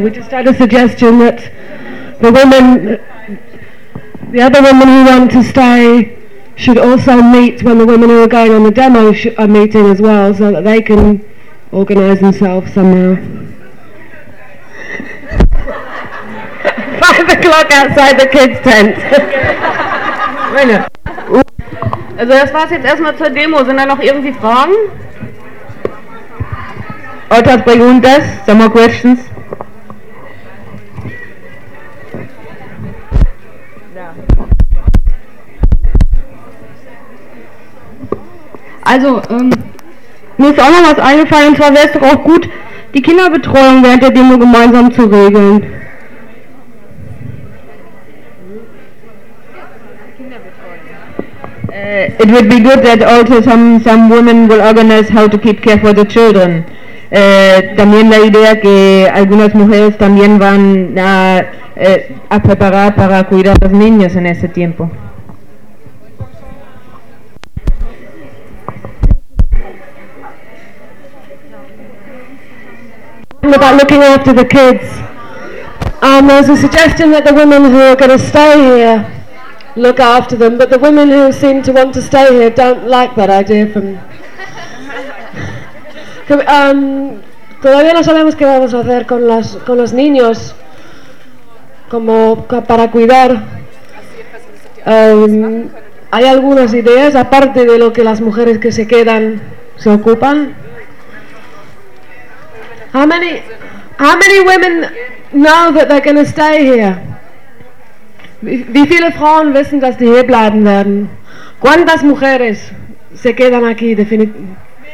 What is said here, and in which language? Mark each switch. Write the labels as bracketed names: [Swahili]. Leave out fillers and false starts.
[English] We just had a suggestion that the other women who want to stay should also meet when the women who are going on the demo are meeting as well, so that they can organize themselves somehow. 5 o'clock outside the kids' tent. [German] Also das war's jetzt erstmal zur Demo. Sind da noch irgendwie Fragen? [Spanish] Otras preguntas? [English] Some more questions? [German] Also, mir ist auch noch was eingefallen, und zwar wäre es doch auch gut, die Kinderbetreuung während der Demo gemeinsam zu regeln. [English] It would be good that also some women will organize how to keep care for the children. [Spanish] También la idea que algunas mujeres también van a preparar para cuidar a los niños en ese tiempo. [English] About looking after the kids. There's a suggestion that the women who are going to stay here look after them, but the women who seem to want to stay here don't like that idea from... [Spanish] todavía no sabemos qué vamos a hacer con los niños como para cuidar. Hay algunas ideas aparte de lo que las mujeres que se quedan se ocupan. [English] How many women know that they're going to stay here? [German] Wie viele Frauen wissen, dass die hier bleiben werden? [Spanish] ¿Cuántas mujeres se quedan aquí definitivamente?